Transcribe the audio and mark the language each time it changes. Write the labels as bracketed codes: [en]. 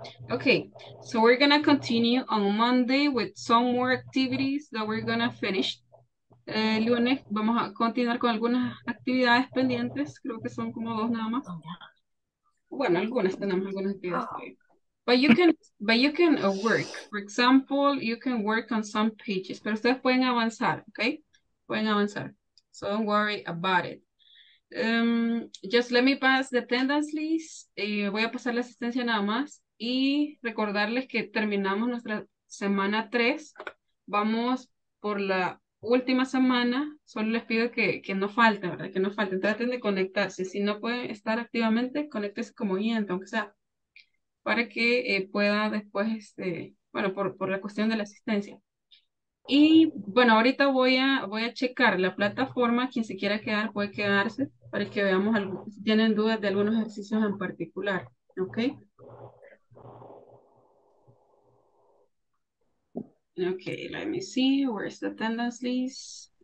[en] Okay, so we're gonna continue on Monday with some more activities that we're gonna finish. [es] Lunes, vamos a continuar con algunas actividades pendientes. Creo que son como dos nada más. Bueno, algunas tenemos algunas actividades. [en] But you can work. For example, you can work on some pages. [es] Pero ustedes pueden avanzar, okay? Pueden avanzar. [en] So don't worry about it. Just let me pass the attendance list. [es] Voy a pasar la asistencia nada más. Y recordarles que terminamos nuestra semana 3. Vamos por la última semana, solo les pido que no falten, ¿verdad? Que no falten, traten de conectarse. Si no pueden estar activamente, conéctese como oyente, aunque sea, para que pueda después, por la cuestión de la asistencia. Y bueno, ahorita voy a checar la plataforma, quien se quiera quedar puede quedarse, para que veamos si tienen dudas de algunos ejercicios en particular, ¿ok? [en] Okay, let me see, where's the attendance list?